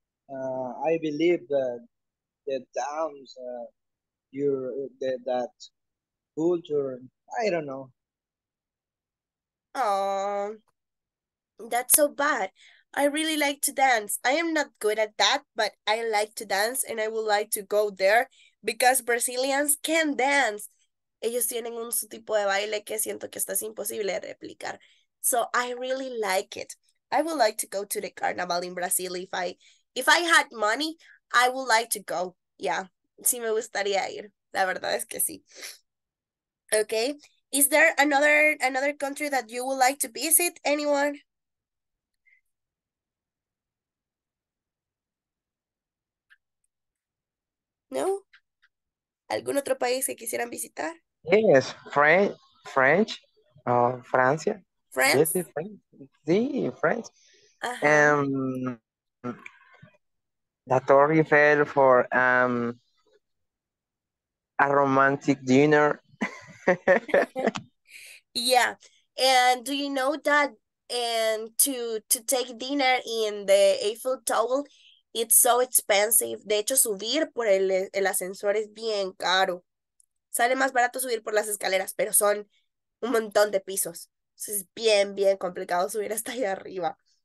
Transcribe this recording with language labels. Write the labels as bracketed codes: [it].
[en] I believe that the dance, that culture, I don't know. Oh, that's so bad. I really like to dance. I am not good at that, but I like to dance and I would like to go there because Brazilians can dance. [es] Ellos tienen un tipo de baile que siento que es imposible de replicar. [en] So I really like it. I would like to go to the carnival in Brazil. If I had money, I would like to go. Yeah, [es] sí me gustaría ir. La verdad es que sí. [en] Okay, is there another country that you would like to visit? Anyone? [es] No? ¿Algún otro país que quisieran visitar? [en] Yes, French, Francia. France? Yes, France. Sí, France. Uh-huh. La Torre Eiffel for a romantic dinner. Yeah, and do you know that? And to take dinner in the Eiffel Tower, it's so expensive. [es] De hecho, subir por el ascensor es bien caro. Sale más barato subir por las escaleras, pero son un montón de pisos. Es bien, bien complicado subir hasta allá arriba.